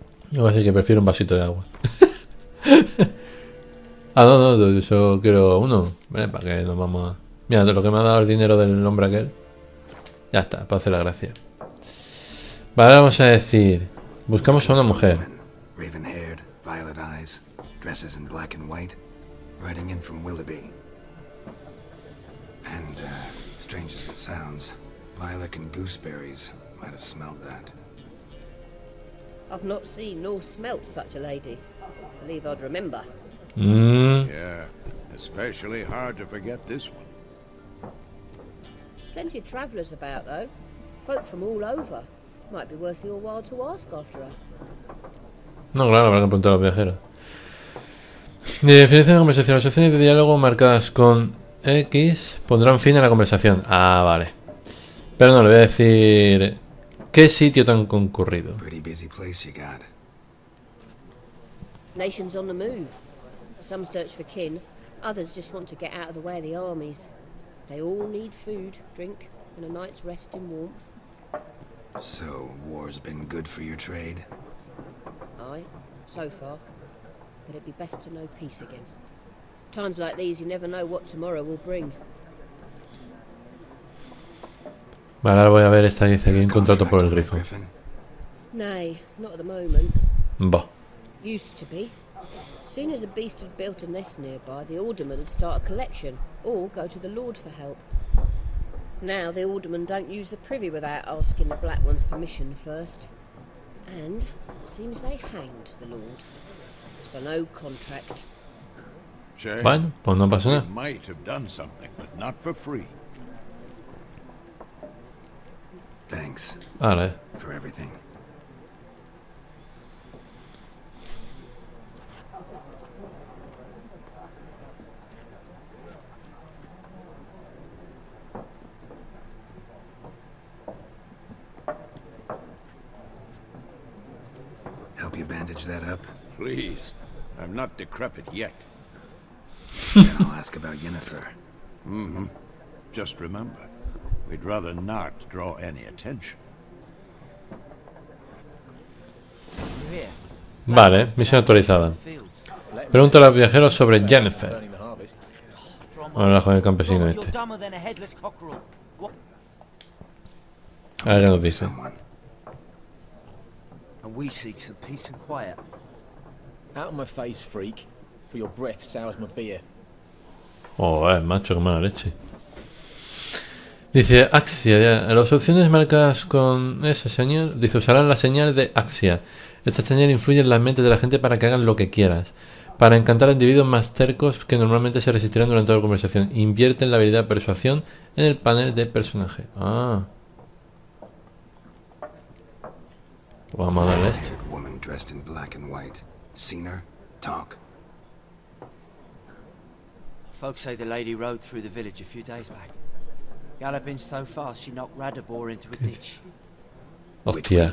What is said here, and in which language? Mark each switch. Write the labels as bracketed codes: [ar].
[es] Yo así que prefiero un vasito de agua. Ah, no, no, yo quiero uno. Vale, para que nos vamos a... Mira, lo que me ha dado el dinero del hombre aquel. Ya está, para hacer la gracia. Vale, vamos a decir... Buscamos a una mujer. [en] Raven haired, violet eyes, dresses in black and white, riding in from Willoughby. And, strange as it sounds, lilac and gooseberries might have smelled that. I've not seen nor smelt such a lady. Believe I'd remember. Yeah, especially hard to forget this one. Plenty of travelers about, though. Folk from all over. Might be worth your while to ask after her. [es] No, claro, habrá que preguntar a los viajeros. De definición de conversación. Las opciones de diálogo marcadas con X pondrán fin a la conversación. Ah, vale. Pero no, le voy a decir... ¿Qué sitio tan concurrido? [en] Pretty busy place you got. Nations on the move. Some search for kin. Others just want to get out of the way of the armies. They all need food, drink, and a night's rest in warmth. So, war's been good for your trade? Aye, so far. But it'd be best to know peace again. Times like these, you never know what tomorrow will bring. [es] Vale, ahora voy a ver esta que dice que hay un contrato por el grifo. [en] Nay, not at the moment. Bah. Used to be. Soon as a beast had built a nest nearby, the alderman would start a collection, or go to the lord for help. Now the aldermen don't use the privy without asking the black one's permission first. And seems they hanged the lord. So no contract. [es] Bueno, pues no pasa nada. [en] We might have done something, but not for free. Thanks. [es] Vale. [en] For everything. That up, please. I'm not decrepit yet. Then I'll ask about Yennefer. Just remember, we'd rather not draw any attention. [es] Vale, misión actualizada. Pregunta a los viajeros sobre Yennefer. Ahora con el campesino este. A ver qué nos dice. [en] And we seek some peace and quiet. Out of my face, freak, for your breath sours my beer. [es] Oh, macho, qué mala leche. Dice Axia, las opciones marcadas con esa señal, dice, usarán la señal de Axia. Esta señal influye en las mentes de la gente para que hagan lo que quieras. Para encantar a individuos más tercos que normalmente se resistirán durante toda la conversación. Invierte en la habilidad persuasión en el panel de personaje. Ah. Vamos a darle esto. [en] Woman dressed in black and white. Seen her? Talk. Folks say the lady rode through the village a few days back. Galloping so fast she knocked Radabor into a ditch. [es] Hostia.